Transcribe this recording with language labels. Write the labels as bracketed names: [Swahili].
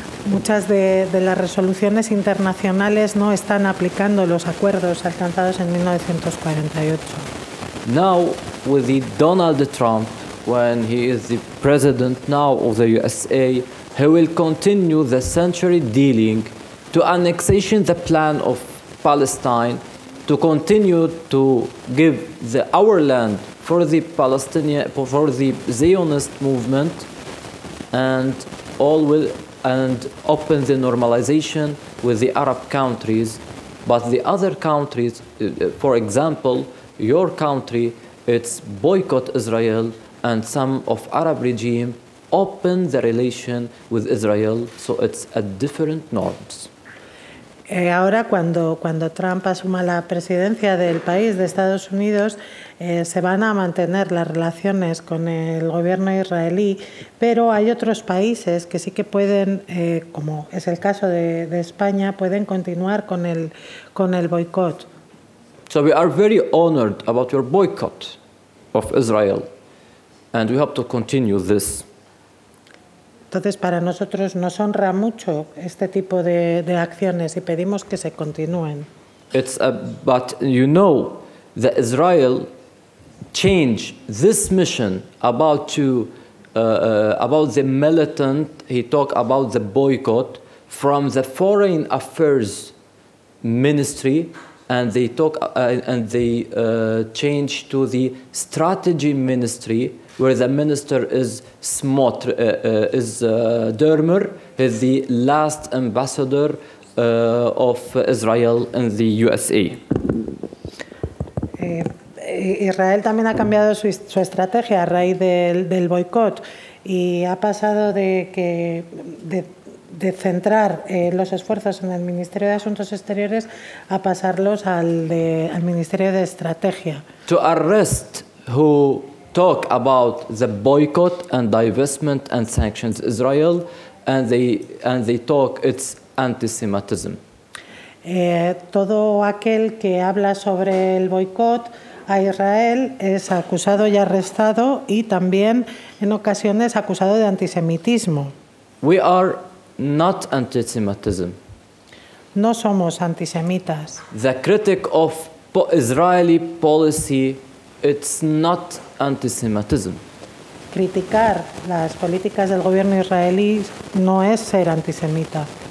[Spanish] Muchas de las resoluciones internacionales no están aplicando los acuerdos alcanzados en 1948. [English] Now with the Donald Trump, when he is the president now of the USA, he will continue the century dealing to annexation the plan of Palestine, to continue to give the our land for the Palestinian, for the Zionist movement, and all will and open the normalization with the Arab countries, but the other countries, for example, your country, it's boycott Israel, and some of Arab regime open the relation with Israel, so it's a different norms. [Spanish] Ahora, cuando Trump asuma la presidencia del país de Estados Unidos, se van a mantener las relaciones con el gobierno israelí, pero hay otros países que sí que pueden, como es el caso de España, pueden continuar con el boicot. [English] So we are very honored about your boycott of Israel, and we hope to continue this. [Spanish] Entonces, para nosotros nos honra mucho este tipo de acciones y pedimos que se continúen. [English] But you know that Israel changed this mission about the militant, he talked about the boycott, from the Foreign Affairs Ministry, and they talk and they change to the Strategy Ministry, where the minister is Dermer, is the last ambassador of Israel in the USA. [Spanish] Israel también ha cambiado su estrategia a raíz del boicot y ha pasado de centrar los esfuerzos en el Ministerio de Asuntos Exteriores a pasarlos al Ministerio de Estrategia. [English] To arrest who talk about the boycott and divestment and sanctions Israel, and they talk it's anti-Semitism. [Spanish] Todo aquel que habla sobre el boicot a Israel es acusado y arrestado y también en ocasiones acusado de antisemitismo. [English] We are not anti-Semitism. [Spanish] No somos antisemitas. [English] The critic of Israeli policy, it's not antisemitism. [Spanish] Criticar las políticas del gobierno israelí no es ser antisemita.